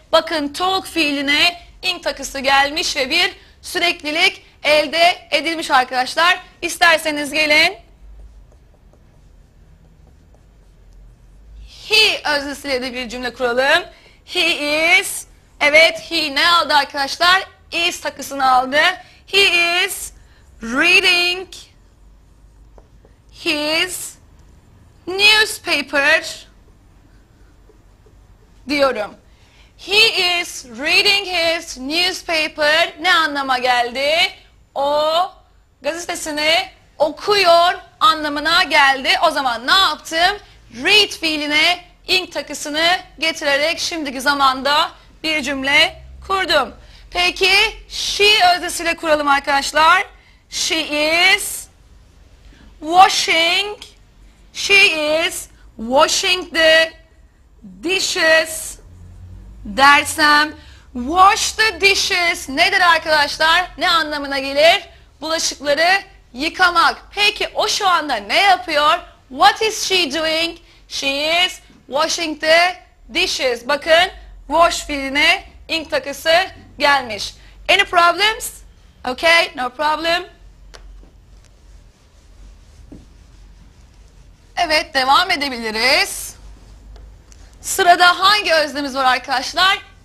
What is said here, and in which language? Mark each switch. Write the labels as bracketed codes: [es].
[tr] Bakın talk fiiline ing takısı gelmiş ve bir süreklilik elde edilmiş arkadaşlar. İsterseniz gelin he öznesiyle de bir cümle kuralım. [en] He is, [tr] evet he ne aldı arkadaşlar? Is takısını aldı. [en] He is reading his newspaper [tr] diyorum. [en] He is reading his newspaper [tr] ne anlama geldi? O gazetesini okuyor anlamına geldi. O zaman ne yaptım? Read fiiline ing takısını getirerek şimdiki zamanda bir cümle kurdum. Peki she öznesiyle kuralım arkadaşlar. [en] She is washing. She is washing the dishes [tr] dersem [en] wash the dishes [tr] nedir arkadaşlar? Ne anlamına gelir? Bulaşıkları yıkamak. Peki o şu anda ne yapıyor? [en] What is she doing? She is washing the dishes. [tr] Bakın wash fiiline ing takısı gelmiş. [en] Any problems? Okay, no problem. [tr] Evet, devam edebiliriz. Sırada hangi öznemiz var arkadaşlar?